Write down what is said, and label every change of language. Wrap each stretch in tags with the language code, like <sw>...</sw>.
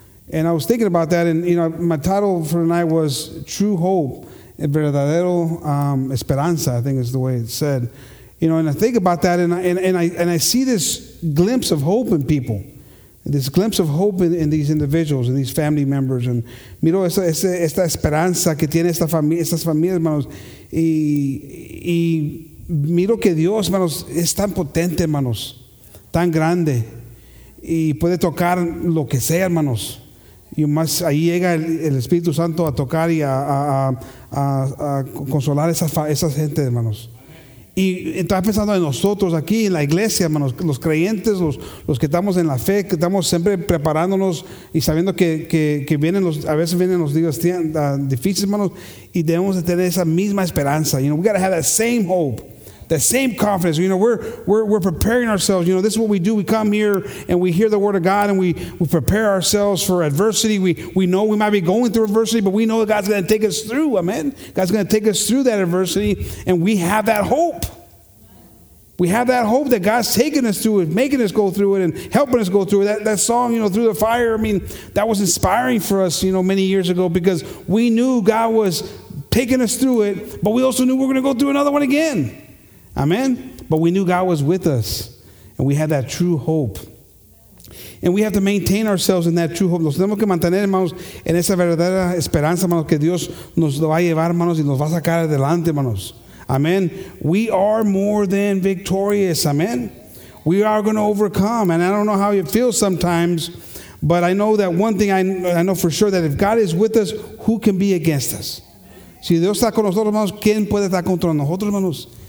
<en>And I was thinking about that, and you know, my title for tonight was True Hope,</en> <es>Verdadero Esperanza,</es> <en>I think is the way it said. You know, and I think about that, and I see this glimpse of hope in people. This glimpse of hope in these individuals, in these family members.</en> <es>And miro esta esperanza que tiene estas familias, hermanos. Y miro que Dios, hermanos, es tan potente, hermanos, tan grande. Y puede tocar lo que sea, hermanos.</es> <en>you must</en> <es>ahí llega el Espíritu Santo a tocar y a consolar esas gente, hermanos. Y estás pensando en nosotros aquí en la iglesia, hermanos, los creyentes, los que estamos en la fe, que estamos siempre preparándonos y sabiendo que vienen los, a veces vienen los días difíciles, hermanos, y debemos de tener esa misma esperanza.</es> <en>You know, we got to have that same hope, the same confidence. You know, we're preparing ourselves. You know, this is what we do. We come here and we hear the word of God and we prepare ourselves for adversity. We know we might be going through adversity, but we know that God's going to take us through. Amen. God's going to take us through that adversity, and we have that hope. We have that hope that God's taking us through it, making us go through it, and helping us go through it. That song, you know, Through the Fire, I mean, that was inspiring for us, you know, many years ago, because we knew God was taking us through it, but we also knew we were going to go through another one again. Amen. But we knew God was with us, and we had that true hope. And we have to maintain ourselves in that true hope.</en> <es>Nos tenemos que mantener, hermanos, en esa verdadera esperanza, hermanos, que Dios nos lo va a llevar, hermanos, y nos va a sacar adelante, hermanos.</es> <en>Amen. We are more than victorious. Amen. We are going to overcome. And I don't know how it feels sometimes, but I know that one thing I know for sure, that if God is with us, who can be against us?</en> <es>Si Dios está con nosotros, hermanos, ¿quién puede estar contra nosotros, hermanos?</es>